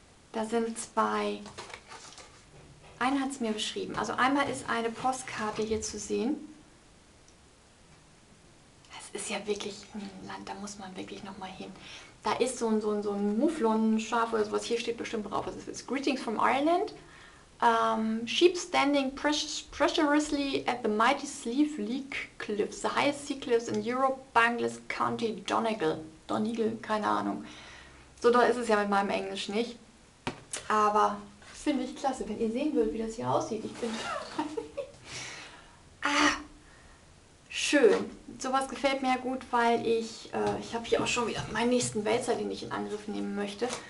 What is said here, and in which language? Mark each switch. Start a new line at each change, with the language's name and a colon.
German: Da sind zwei, einen hat es mir beschrieben. Also einmal ist eine Postkarte hier zu sehen. Es ist ja wirklich ein Land, da muss man wirklich nochmal hin. da ist so ein Mufflon-Schaf oder sowas. Hier steht bestimmt drauf, was es ist.
English: Greetings from Ireland. Sheep standing pressurously at the mighty Slieve Leak Cliffs, the highest sea cliffs in Europe, Bangles County, Donegal.
German: Donegal, keine Ahnung. So da ist es ja mit meinem Englisch nicht. Aber finde ich klasse, wenn ihr sehen würdet, wie das hier aussieht. Ich bin schön. Sowas gefällt mir ja gut, weil ich habe hier auch schon wieder meinen nächsten Wälzer, den ich in Angriff nehmen möchte.